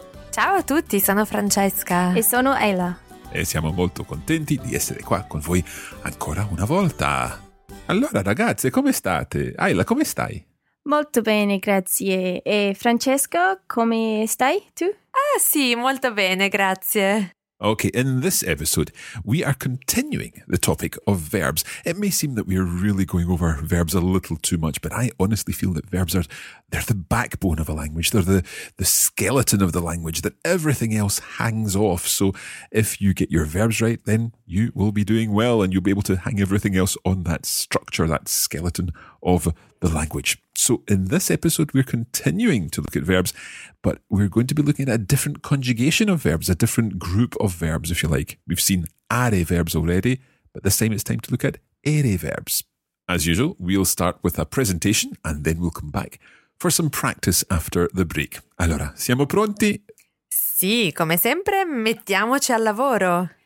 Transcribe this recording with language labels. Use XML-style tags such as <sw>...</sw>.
<it>Ciao a tutti, sono Francesca. E sono Ella. E siamo molto contenti di essere qua con voi ancora una volta. Allora ragazze, come state? Ella, come stai? Molto bene, grazie. E Francesco, come stai tu? Ah sì, molto bene, grazie.</it> <en>Okay, in this episode, we are continuing the topic of verbs. It may seem that we are really going over verbs a little too much, but I honestly feel that verbs are, they're the backbone of a language. They're the skeleton of the language that everything else hangs off. So if you get your verbs right, then you will be doing well and you'll be able to hang everything else on that structure, that skeleton of the language. So in this episode, we're continuing to look at verbs, but we're going to be looking at a different conjugation of verbs, a different group of verbs, if you like. We've seen are verbs already, but this time it's time to look at ere verbs. As usual, we'll start with a presentation and then we'll come back for some practice after the break.</en> <it>Allora, siamo pronti? Sì, come sempre, mettiamoci al lavoro.</it>